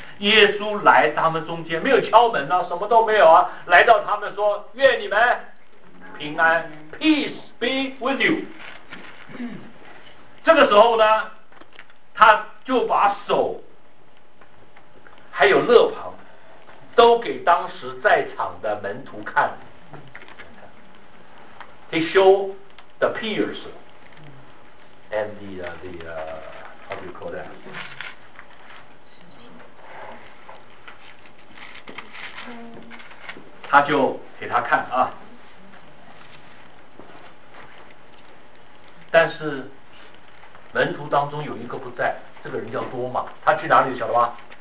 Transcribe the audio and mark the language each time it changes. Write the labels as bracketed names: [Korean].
[Chinese] 耶稣来他们中间，没有敲门啊，什么都没有啊，来到他们说：“愿你们平安 ， [English] Peace be with you。” [Chinese] 这个时候呢，他就把手还有肋旁都给当时在场的门徒看。 [English] He showed the pierced and how do you call that? [Chinese] Mm-hmm. 他就给他看啊，但是门徒当中有一个不在，这个人叫多马，他去哪里晓得吧？